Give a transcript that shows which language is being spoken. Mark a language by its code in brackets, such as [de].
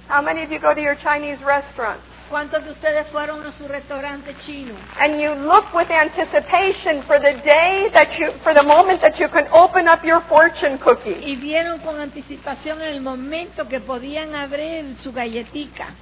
[en] How many of you go to your Chinese restaurants? [es] ¿Cuántos de ustedes fueron a su restaurante chino? [en] And you look with anticipation for the day that you, for the moment that you can open up your fortune cookie. [es] Y vieron con anticipación el momento que podían abrir su galletica.